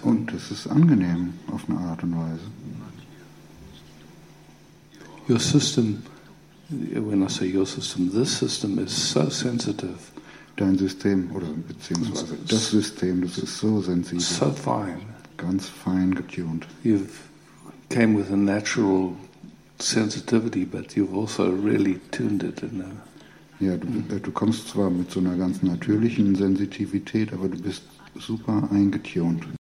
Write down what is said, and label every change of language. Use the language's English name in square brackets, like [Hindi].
[German] und es ist angenehm auf eine Art und Weise. [English] Your system, when I say your system, this system is so sensitive. [German] Dein System oder beziehungsweise das System, das ist so sensitiv. [English] So fine. [German] Ganz fein getuned. [English] You've came with a natural sensitivity, but you've also really tuned it in a. [German] Ja, du kommst zwar mit so einer ganz natürlichen Sensitivität, aber du bist super eingetuned.